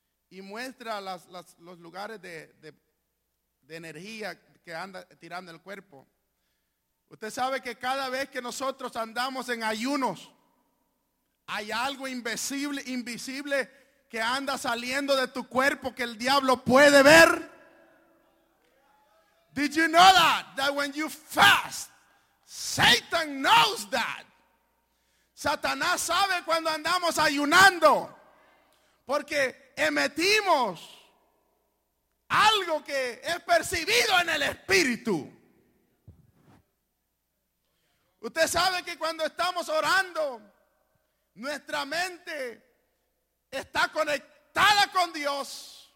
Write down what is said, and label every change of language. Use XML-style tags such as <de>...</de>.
<es>Y muestra los lugares de energía que anda tirando el cuerpo. Usted sabe que cada vez que nosotros andamos en ayunos, hay algo invisible que anda saliendo de tu cuerpo que el diablo puede ver.</es> <en>Did you know that when you fast, Satan knows that.</en> <es>Satanás sabe cuando andamos ayunando, porque emitimos algo que es percibido en el espíritu. Usted sabe que cuando estamos orando, nuestra mente está conectada con Dios.</es>